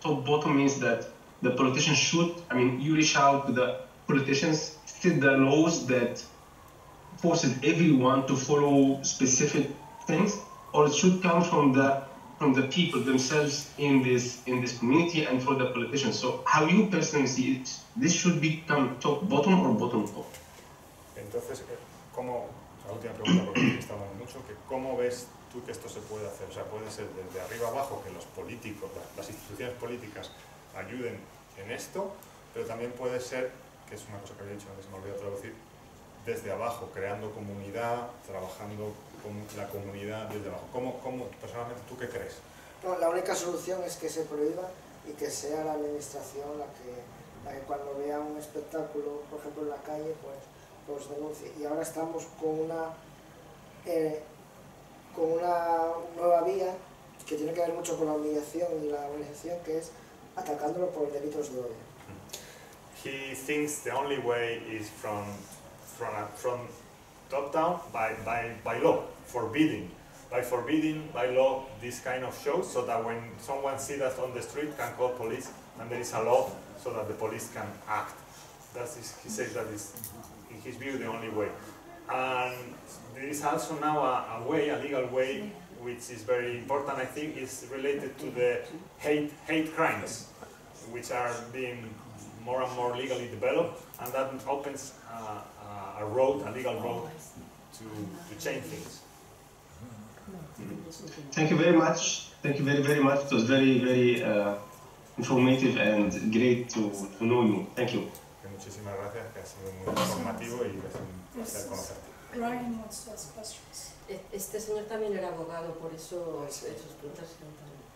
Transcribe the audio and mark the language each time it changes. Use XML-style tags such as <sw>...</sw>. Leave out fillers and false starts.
<en>Top bottom means that the politicians you reach out to the politicians, set the laws that forces everyone to follow specific things, or it should come from the people themselves in this community and for the politicians. So how you personally see it, this should become top bottom or bottom top?</en> <es>Entonces, ¿cómo? La última pregunta, porque aquí está hablando mucho, que ¿cómo ves tú que esto se puede hacer? O sea, ¿puede ser desde arriba abajo que los políticos, las instituciones políticas ayuden en esto? Pero también puede ser, que es una cosa que había dicho antes, me olvidé de traducir, desde abajo, creando comunidad, trabajando con la comunidad desde abajo. ¿Cómo personalmente, tú qué crees? No, la única solución es que se prohíba y que sea la administración la que cuando vea un espectáculo, por ejemplo, en la calle, pues denuncie. Y ahora estamos con una nueva vía que tiene que ver mucho con la humillación y la organización, que es atacándolo por delitos de odio.</es> <en>He thinks the only way is from top down by law, forbidding by law this kind of show, so that when someone sees that on the street can call police, and there is a law so that the police can act. He says that is, in his view, the only way. And there is also now a legal way, which is very important, I think, is related to the hate crimes, which are being more and more legally developed, and that opens a legal road to change things. Thank you very much. Thank you very, very much. It was very, very informative and great to know you. Thank you.</en> <es>Muchísimas gracias, que ha sido muy informativo y es un placer conocerte.</es> <en>Ryan wants to ask questions.</en> <es>Este señor también era abogado, por eso esos puntos eran tan.</es>